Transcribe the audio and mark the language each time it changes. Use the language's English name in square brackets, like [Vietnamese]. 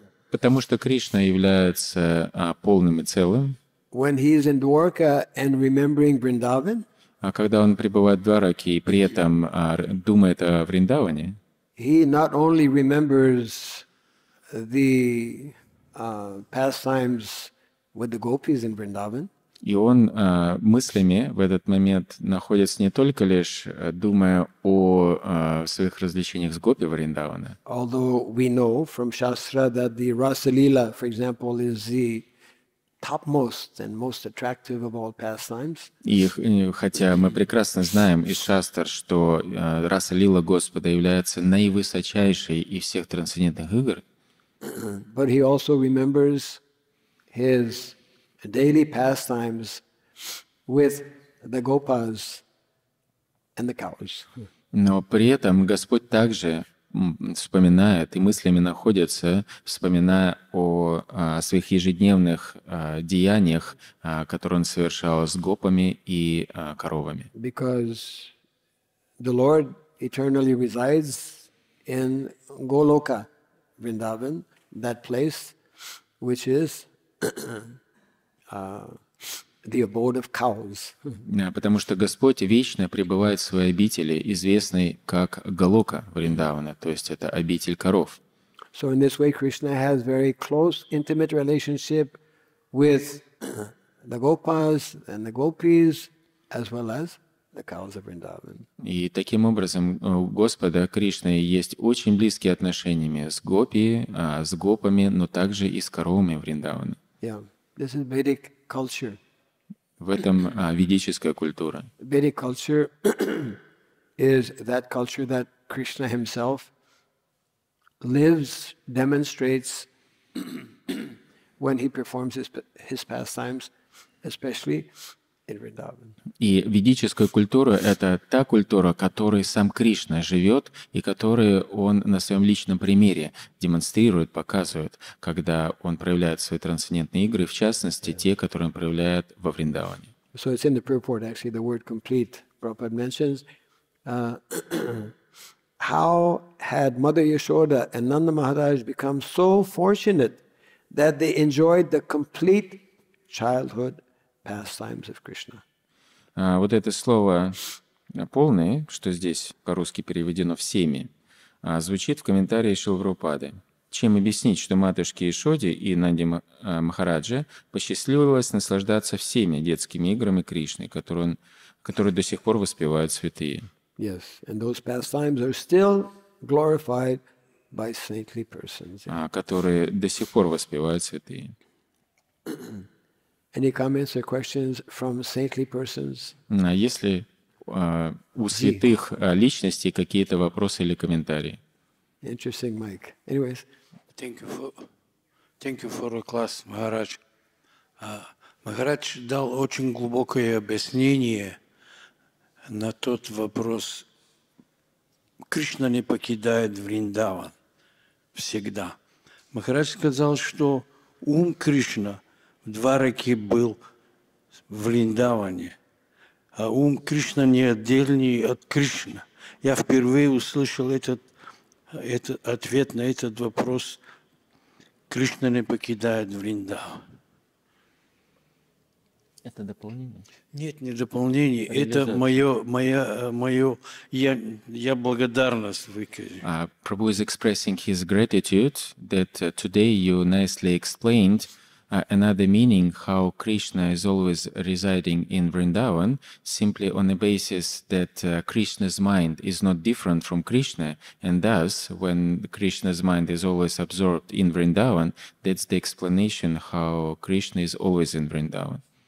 [Russian] Потому что Кришна является полным и целым. [English] When he is in Dwarka and remembering Vrindavan. [Russian] А когда он пребывает в Двараке и при этом думает о Вриндаване. [English] He not only remembers the pastimes with the gopis in Vrindavan. [Russian] И он мыслями в этот момент находится не только лишь думая о своих развлечениях с гопи Вриндавана. [English] Although we know from Shastra that the Rasa Lila, for example, is the topmost and most attractive of all pastimes. [Russian] И хотя мы прекрасно знаем из Шастр, что Раса Лила Господа является наивысочайшей из всех трансцендентных игр. [English] But he also remembers his daily pastimes with the gopas and the cows. [Russian] Но при этом Господь также вспоминает и мыслями находится, вспоминая о своих ежедневных деяниях, которые он совершал с гопами и коровами. [English] Because the Lord eternally resides in Голока, Vrindavan, that place which is the abode of cows. [Russian] Потому что Господь вечно пребывает в своей обители, известной как Голока Вриндавана, то есть это обитель коров. [English] So in this way, Krishna has very close, intimate relationship with the gopas and the gopis, as well as the cows of Vrindavan. [Russian] И таким образом у Господа Кришны есть очень близкие отношения с гопи, с гопами, но также и с коровами Вриндавана. [English] Yeah, this is Vedic culture. [Russian] В этом ведическая культура. [English] Vedic culture is that culture that Krishna himself lives, demonstrates when he performs his pastimes, especially in Vrindavan. [Russian] И ведическая культура — это та культура, которой сам Кришна живет и которую он на своем личном примере демонстрирует, показывает, когда он проявляет свои трансцендентные игры, в частности, те, которые он проявляет во Вриндаване. [English] So it's in the purport, actually, the word complete, Prabhupada mentions. How had Mother Yashoda and Nanda Maharaj become so fortunate that they enjoyed the complete childhood pastimes of Krishna? [Russian] Вот это слово «полное», что здесь по-русски переведено «всеми», звучит в комментарии Шрилы Прабхупады. Чем объяснить, что матушке Ишоде и Нанде Махараджа посчастливилось наслаждаться всеми детскими играми Кришны, которые до сих пор воспевают святые? [English] Yes, and those pastimes are still glorified by saintly persons. [Russian] Которые до сих пор воспевают святые. [English] Any comments or questions from saintly persons? [Russian] Есть ли у святых личностей какие-то вопросы или комментарии? [English] Interesting, Mike. Anyways. Thank you for a class, Maharaj. [Russian] Maharaj дал очень глубокое объяснение на тот вопрос. Кришна не покидает Вриндаван всегда. Maharaj сказал, что ум Кришна в Двараке был в Вриндаване, а ум Кришна не отдельный от Кришны. Я впервые услышал этот ответ на этот вопрос. Кришна не покидает Вриндаван. Это дополнение? Нет, не дополнение. Это мое. Я благодарность выкажу. [English] Prabhu is expressing his gratitude that today you nicely explained another meaning, how Krishna is always residing in Vrindavan, simply on the basis that Krishna's mind is not different from Krishna, and thus, when Krishna's mind is always absorbed in Vrindavan, that's the explanation how Krishna is always in Vrindavan.